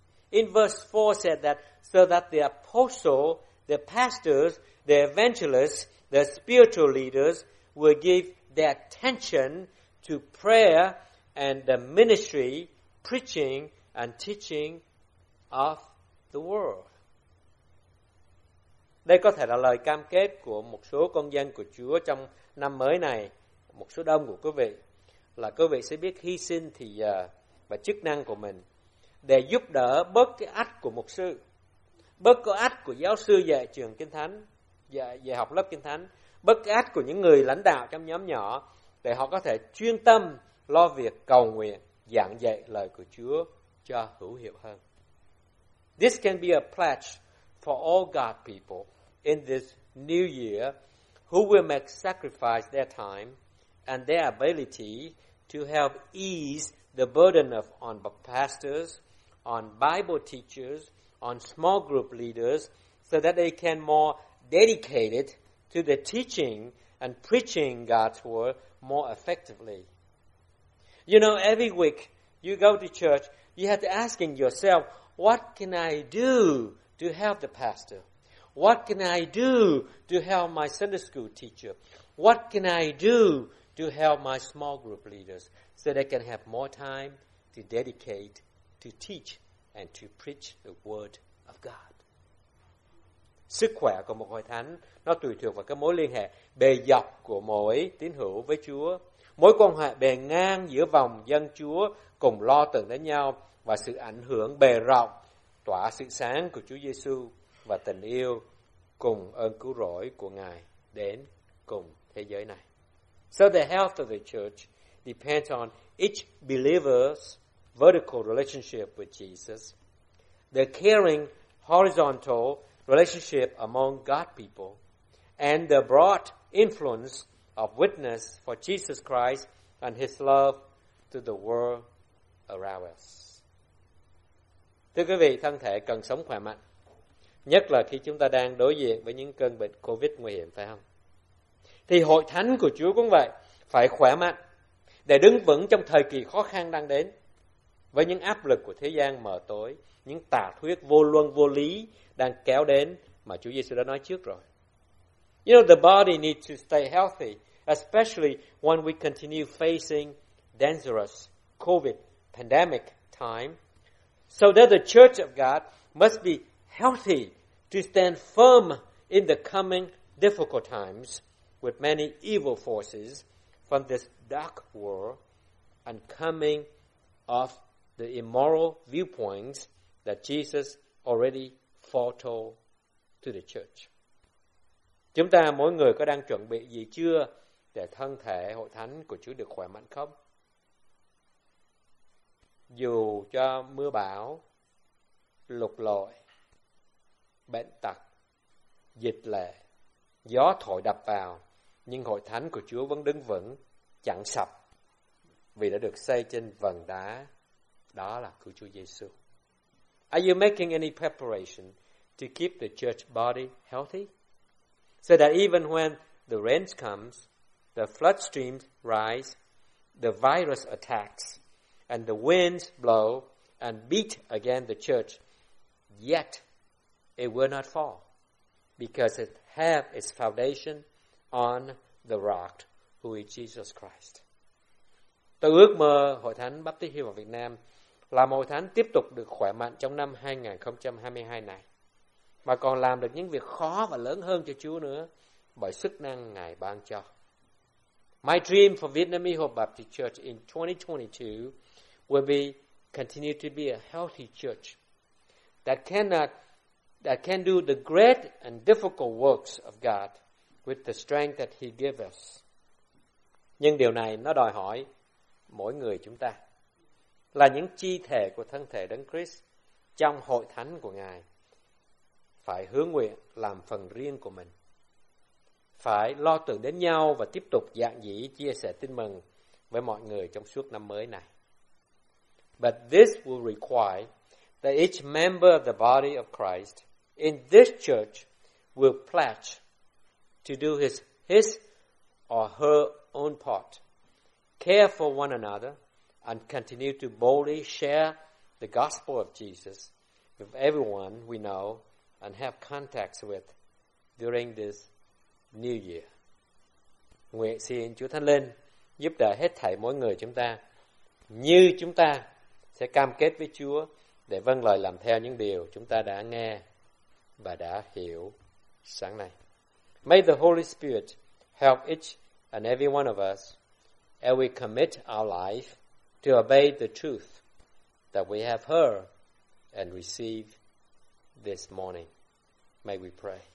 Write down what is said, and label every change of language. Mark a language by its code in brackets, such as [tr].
[en] In verse 4 said that so that the apostles, the pastors, the evangelists, the spiritual leaders will give their attention to prayer and the ministry, preaching and teaching of the world. [vi] Đây có thể là lời cam kết của một số con dân của Chúa trong năm mới này, một số đông của quý vị, là quý vị sẽ biết hy sinh thì giờ và chức năng của mình để giúp đỡ bớt cái ách của mục sư, bớt cái ách của giáo sư dạy trường Kinh Thánh, dạy học lớp Kinh Thánh, bớt cái ách của những người lãnh đạo trong nhóm nhỏ để họ có thể chuyên tâm lo việc cầu nguyện, giảng dạy lời của Chúa cho hữu hiệu hơn. [en] This can be a pledge for all God people in this new year who will make sacrifice their time and their ability to help ease the burden of on pastors, on Bible teachers, on small group leaders, so that they can more dedicate it to the teaching and preaching God's word more effectively. You know, every week you go to church, you have to ask yourself, what can I do to help the pastor? What can I do to help my Sunday school teacher? What can I do to help my small group leaders so they can have more time to dedicate to teach and to preach the word of God? [vi] Sức khỏe của một hội thánh nó tùy thuộc vào cái mối liên hệ bề dọc của mỗi tín hữu với Chúa, mối quan hệ bề ngang giữa vòng dân Chúa cùng lo tưởng đến nhau và sự ảnh hưởng bề rộng tỏa sự sáng của Chúa Giêsu và tình yêu cùng ơn cứu rỗi của Ngài đến cùng thế giới này. [en] So the health of the church depends on each believer's vertical relationship with Jesus, the caring horizontal relationship among God's people, and the broad influence of witness for Jesus Christ and His love to the world around us. [vi] Thưa quý vị, thân thể cần sống khỏe mạnh, nhất là khi chúng ta đang đối diện với những cơn bệnh COVID nguy hiểm, phải không? Thì hội thánh của Chúa cũng vậy, phải khỏe mạnh để đứng vững trong thời kỳ khó khăn đang đến với những áp lực của thế gian mờ tối, những tà thuyết vô luân vô lý đang kéo đến mà Chúa Giêsu đã nói trước rồi. [en] You know, the body needs to stay healthy, especially when we continue facing dangerous COVID pandemic time, so that the church of God must be healthy to stand firm in the coming difficult times with many evil forces from this dark world and coming of the immoral viewpoints that Jesus already foretold to the church. [vi] Chúng ta mỗi người có đang chuẩn bị gì chưa để thân thể hội thánh của Chúa được khỏe mạnh không? Dù cho mưa bão, lục lội, bệnh tật, dịch lệ, gió thổi đập vào, nhưng hội thánh của Chúa vẫn đứng vững, chẳng sập, vì đã được xây trên vần đá, đó là của Chúa Giêsu. [en] Are you making any preparation to keep the church body healthy? So that even when the rains comes, the flood streams rise, the virus attacks, and the winds blow and beat against the church, yet it will not fall, because it have its foundation on the rock, who is Jesus Christ. [vi] Tôi ước mơ Hội Thánh Baptist Hill Việt Nam là một hội thánh tiếp tục được khỏe mạnh trong năm 2022 này, mà còn làm được những việc khó và lớn hơn cho Chúa nữa bởi sức năng Ngài ban cho. [en] My dream for Vietnamese Hope Baptist Church in 2022 will be continue to be a healthy church that can do the great and difficult works of God with the strength that He gave us. [vi] Nhưng điều này nó đòi hỏi mỗi người chúng ta là những chi thể của thân thể Đấng Christ trong hội thánh của Ngài phải hứa nguyện làm phần riêng của mình, phải lo tưởng đến nhau và tiếp tục dạng dĩ chia sẻ tin mừng với mọi người trong suốt năm mới này. [en] But this will require that each member of the body of Christ in this church will pledge to do his or her own part, care for one another, and continue to boldly share the gospel of Jesus with everyone we know and have contacts with during this new year. [vi] Nguyện xin Chúa Thánh Linh giúp đỡ hết thảy mỗi người chúng ta như chúng ta sẽ cam kết với Chúa để vâng lời làm theo những điều chúng ta đã nghe và đã hiểu sáng nay. [en] May the Holy Spirit help each and every one of us as we commit our life to obey the truth that we have heard and received this morning. May we pray.